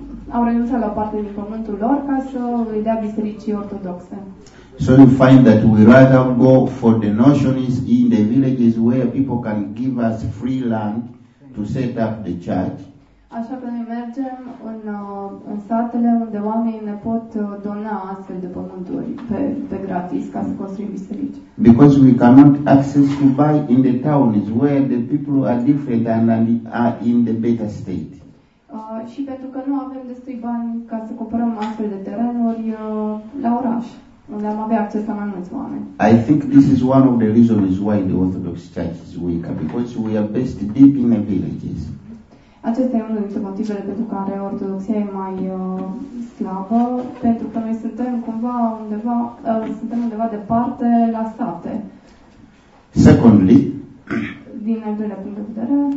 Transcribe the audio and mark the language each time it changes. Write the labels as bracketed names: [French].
[Romanian] Au renunțat la parte din pământul lor ca să îi dea bisericii ortodoxe. [English] So you find that we rather go for the notions in the villages where people can give us free land to set up the church. [Romanian] Așa că noi mergem în satele unde oamenii ne pot dona astfel de pământuri pe gratis ca să construim biserici. [English] Because we cannot access to buy in the towns where the people are different and are in the better state. [Romanian] Și pentru că nu avem destui bani ca să cumpărăm astfel de terenuri la oraș, unde am avea acces la mai mulți oameni. [English] I think this is one of the reasons why the Orthodox Church is weaker, because we are based deep in the villages. [Romanian] Acesta e unul dintre motivele pentru care ortodoxia e mai slabă, pentru că noi suntem cumva undeva departe la sate. [English] Secondly, [Romanian] din al doilea punct de vedere,